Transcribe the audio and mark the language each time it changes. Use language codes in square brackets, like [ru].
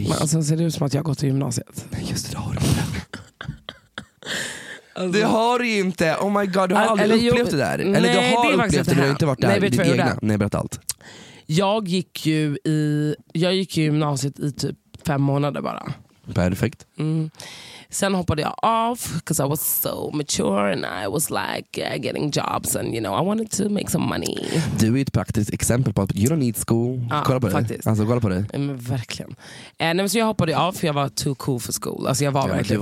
[sv] Men alltså, ser det ut som att jag har gått till gymnasiet? Nej, just det, det har du inte. Alltså, det har du inte. Oh my god, du har aldrig upplevt det där. Nej, eller du har upplevt det, du har inte varit där. Nej, vet du vad jag gjorde? Nej, berätta allt. Jag gick ju gymnasiet i typ 5 månader bara. Perfekt. Mm. [en] Sen hoppade jag av, because I was so mature and I was like getting jobs and you know, I wanted to make some money. [sv] Du är ett praktiskt exempel på att you don't need school. Kolla på det. Men verkligen. Så jag hoppade av för jag var too cool for school. Alltså jag var verkligen